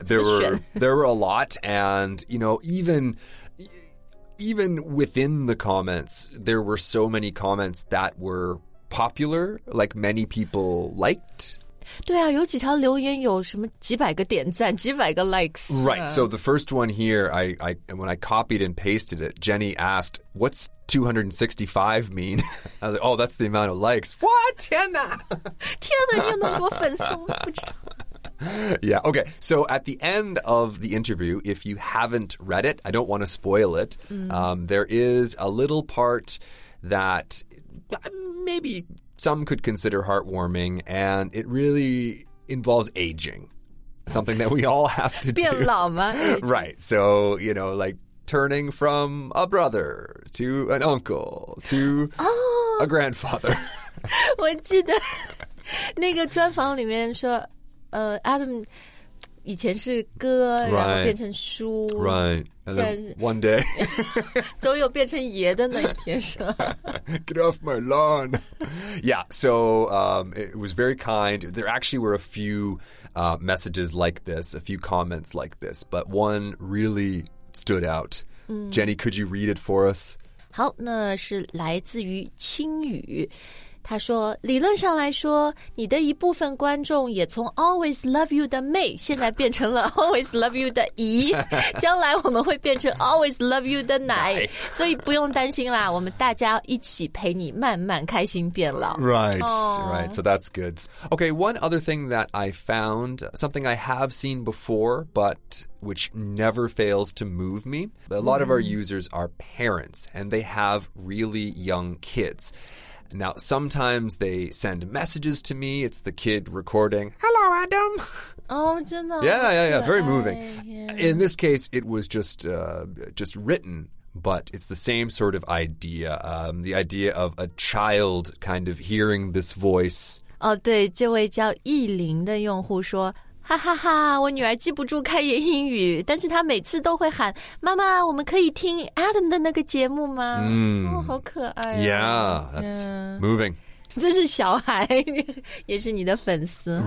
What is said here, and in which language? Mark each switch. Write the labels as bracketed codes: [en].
[en] there were a lot, and you know, even within the comments, there were so many comments that were popular, like many people liked. [zh] 对啊，有几条留言有什么几百个点赞，几百个 likes. [en] Right. So the first one here, when I copied and pasted it, Jenny asked, "What's 265 mean?" I was like, oh, that's the amount of likes. [zh] What? 天哪！天哪，你有那么多粉丝，我不知 [en] 道。Yeah, okay. So at the end of the interview, if you haven't read it, I don't want to spoil it. There is a little part that maybe some could consider heartwarming, and it really involves aging. Something that we all have to do. [zh] 变老吗？ [en] Right. So, you know, like,turning from a brother to an uncle to a grandfather. [zh] 我记得那个专访里面说Adam 以前是哥、 [en] right. [zh] 然后变成叔、 [en] right. One day [zh] 总有变成爷的那一天是吧 [en] Get off my lawn. Yeah, so it was very kind. There actually were a few messages like this, a few comments like this, but one really... stood out. Jenny, could you read it for us? [zh] 好，那是来自于青雨。他说，理论上来说，你的一部分观众也从 [en] always love you [zh] 的妹，现在变成了 always love you 的姨。将来我们会变成 [en] always love you [zh] 的奶。所以不用担心啦，我们大家一起陪你慢慢开心变老。 [en] Right,、oh. right. So that's good. Okay, one other thing that I found, something I have seen before, but... which never fails to move me. A lot of our users are parents, and they have really young kids. Now, sometimes they send messages to me. It's the kid recording, Hello, Adam! [zh] Oh, 真的 [en] Yeah, very moving. In this case, it was just written, but it's the same sort of idea, the idea of a child kind of hearing this voice. [zh] 对,这位叫艺林的用户说哈哈哈！我女儿记不住开言英语，但是她每次都会喊妈妈。我们可以听 Adam 的那个节目吗？好可爱、啊。 [en] Yeah, that's moving. [zh] 这是小孩，也是你的粉丝。